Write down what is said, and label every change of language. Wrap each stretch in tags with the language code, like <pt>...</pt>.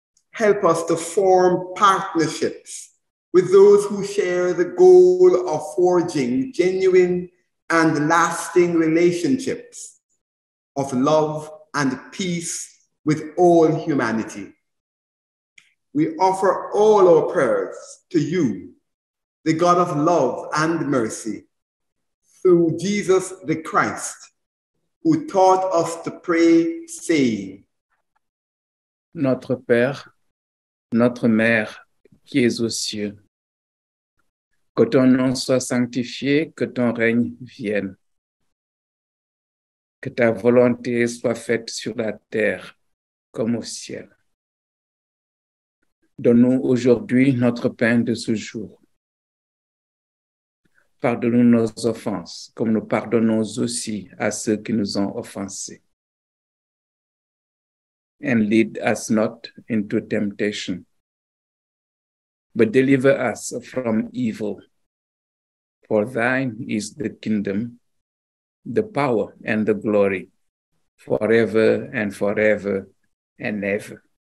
<en>Help us to form partnerships with those who share the goal of forging genuine and lasting relationships of love and peace with all humanity. We offer all our prayers to you, the God of love and mercy, through Jesus the Christ, who taught us to pray, saying,</en> <fr>Notre Père, Notre Mère, qui es aux cieux, que ton nom soit sanctifié, que ton règne vienne, que ta volonté soit faite sur la terre comme au ciel. Donne-nous aujourd'hui notre pain de ce jour. Pardonne-nous nos offenses, comme nous pardonnons aussi à ceux qui nous ont offensés.</fr> <en>And lead us not into temptation, but deliver us from evil. For thine is the kingdom, the power, and the glory, forever and forever and ever.</en>